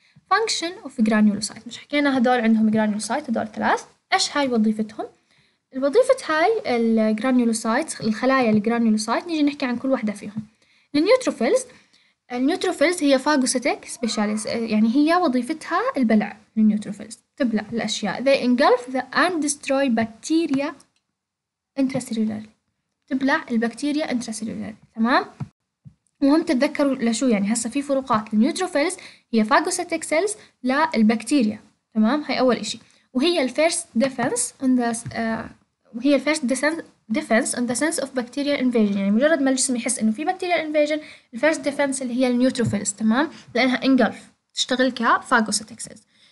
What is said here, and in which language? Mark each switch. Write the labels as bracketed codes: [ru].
[ar] فانكشن اوف جرانيولوسايت، مش حكينا هذول عندهم جرانيولوسايت، هذول ثلاث، ايش هاي وظيفتهم؟ الوظيفة هاي الجرانيولوسايت، الخلايا الجرانيولوسايت، نيجي نحكي عن كل واحدة فيهم. النيوتروفيلز، النيوتروفيلز هي فاجوسيتك سبيشاليس، يعني هي وظيفتها البلع، النيوتروفيلز تبلع الأشياء. [en] they engulf the and destroy bacteria intracellularly، [ar] تبلع البكتيريا [en] intracellularly، [ar] تمام. مهم تتذكروا لشو يعني، هسا في فروقات. النيوتروفيلز هي فاجوسيتك سيلز للبكتيريا، تمام، هاي أول إشي. وهي الفيرست ديفنس ان ذا وهي الفيرست ديفنس ان ذا سنس اوف بكتيريا انفيجن، يعني مجرد ما الجسم يحس انه في بكتيريا انفيجن، الفيرست ديفنس اللي هي النيوتروفيلز، تمام، لانها انجلف تشتغل كفاجوسيتك سيلز.